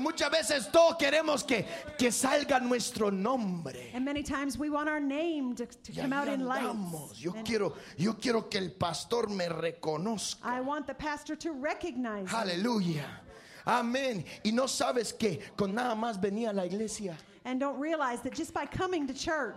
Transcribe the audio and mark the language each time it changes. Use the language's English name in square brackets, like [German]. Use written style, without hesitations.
[Spanish] Muchas veces todos queremos que salga nuestro nombre. [English] And many times we want our name to come out in lights. [Spanish] Yo quiero que el pastor me reconozca. [English] I want the pastor to recognize. Aleluya. Amén. [Spanish] Y no sabes que con nada más venía a la iglesia. [English] And don't realize that just by coming to church,